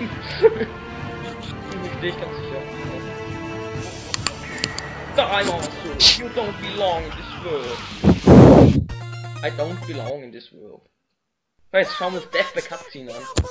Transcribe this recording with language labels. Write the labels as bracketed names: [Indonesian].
[German] Ich bin nicht ganz sicher. [English] Die Monster, you don't belong in this world. I don't belong in this world. [German] Hey, jetzt schauen wir uns Death by Cutscene an.